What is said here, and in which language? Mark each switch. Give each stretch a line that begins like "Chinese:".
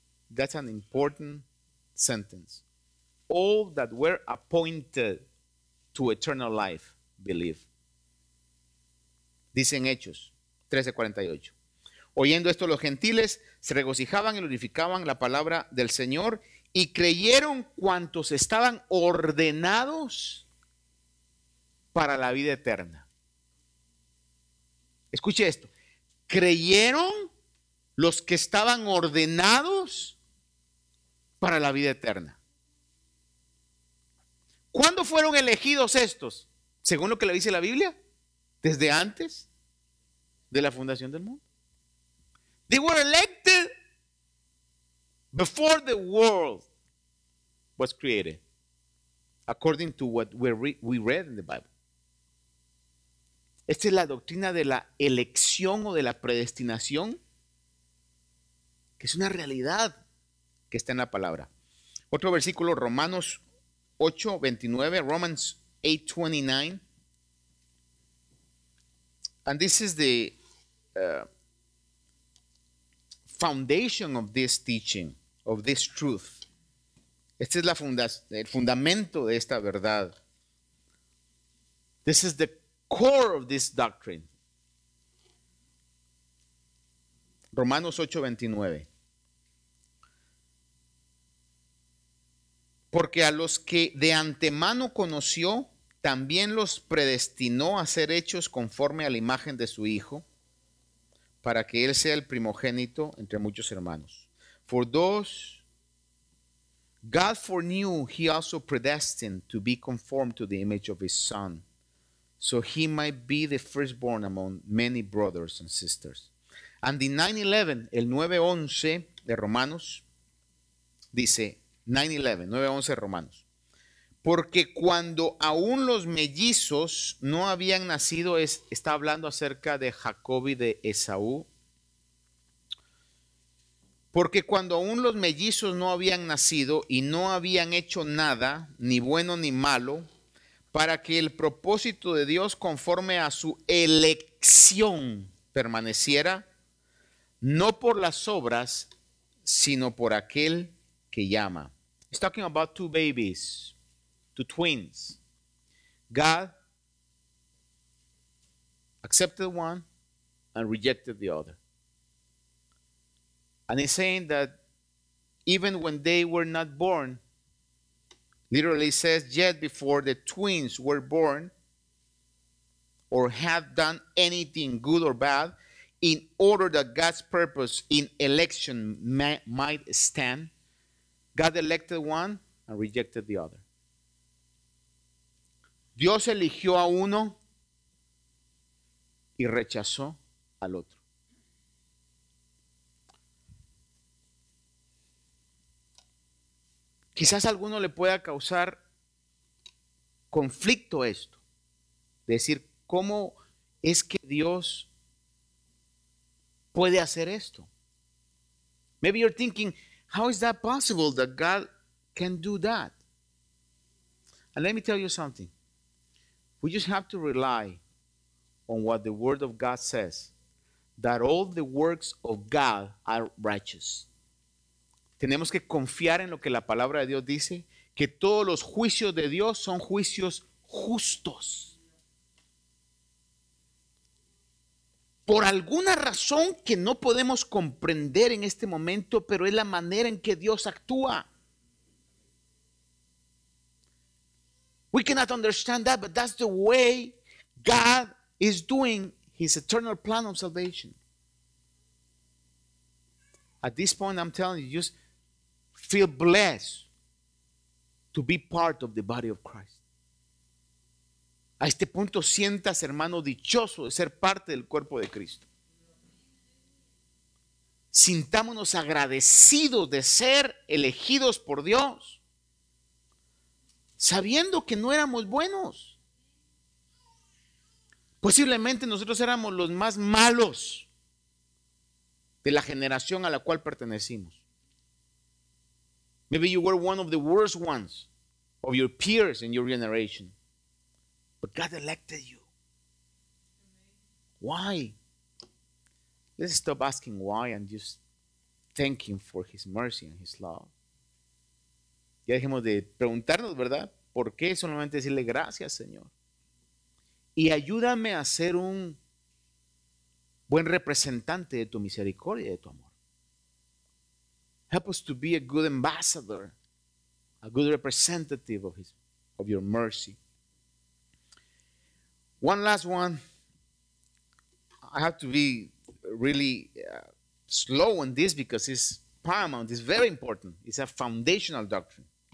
English: That's an important sentence. All that were appointed to eternal life believe.
Spanish: Dicen Hechos 13:48. Oyendo esto, los gentiles se regocijaban y glorificaban la palabra del Señor y creyeron cuantos estaban ordenados para la vida eterna. Escuche esto. Creyeron los que estaban ordenados para la vida eterna. ¿Cuándo fueron elegidos estos? Según lo que le dice la Biblia, desde antes de la fundación del mundo.
English: They were elected before the world was created, according to what we read in the Bible.
Spanish: Esta es la doctrina de la elección o de la predestinación, que es una realidad que está en la palabra. Otro versículo, Romanos 8:29,
English: Romans 8:29. And this is the foundation of this teaching, of this truth.
Spanish: Este es el fundamento de esta verdad.
English: This is the core of this doctrine.
Spanish: Romanos 8:29. Porque a los que de antemano conoció, también los predestinó a ser hechos conforme a la imagen de su Hijo, para que Él sea el primogénito entre muchos hermanos.
English: For those God foreknew, He also predestined to be conformed to the image of His Son, so He might be the firstborn among many brothers and sisters. And in 9:11,
Spanish: el 9:11 de Romanos, dice, 9:11, 9:11 de Romanos. Porque cuando aún los mellizos no habían nacido, está hablando acerca de Jacob y de Esaú. Porque cuando aún los mellizos no habían nacido y no habían hecho nada, ni bueno ni malo, para que el propósito de Dios conforme a su elección permaneciera, no por las obras, sino por aquel que llama.
English: He's talking about two babies. To twins, God accepted one and rejected the other. And he's saying that even when they were not born, literally says, yet before the twins were born or had done anything good or bad, in order that God's purpose in election might stand, God elected one and rejected the other.
Spanish: Dios eligió a uno y rechazó al otro. Quizás a alguno le pueda causar conflicto esto. Decir, ¿cómo es que Dios puede hacer esto?
English: Maybe you're thinking, how is that possible that God can do that? And let me tell you something. We just have to rely on what the Word of God says, that all the works of God are righteous.
Spanish: Tenemos que confiar en lo que la palabra de Dios dice, que todos los juicios de Dios son juicios justos. Por alguna razón que no podemos comprender en este momento, pero es la manera en que Dios actúa.
English: We cannot understand that, but that's the way God is doing his eternal plan of salvation. At this point, I'm telling you, just feel blessed to be part of the body of Christ.
Spanish: A este punto sientas, hermano, dichoso de ser parte del cuerpo de Cristo. Sintámonos agradecidos de ser elegidos por Dios, sabiendo que no éramos buenos. Posiblemente nosotros éramos los más malos de la generación a la cual pertenecimos.
English: Maybe you were one of the worst ones of your peers in your generation. But God elected you. Why? Let's stop asking why and just thank him for his mercy and his love.
Spanish: Ya dejemos de preguntarnos, ¿verdad? ¿Por qué? Solamente decirle gracias, Señor. Y ayúdame a ser un buen representante de tu misericordia y de tu amor.
English: Help us to be a good ambassador, a good representative of his, of your mercy. One last one, I have to be really slow on this because it's paramount, it's very important, it's a foundational doctrine.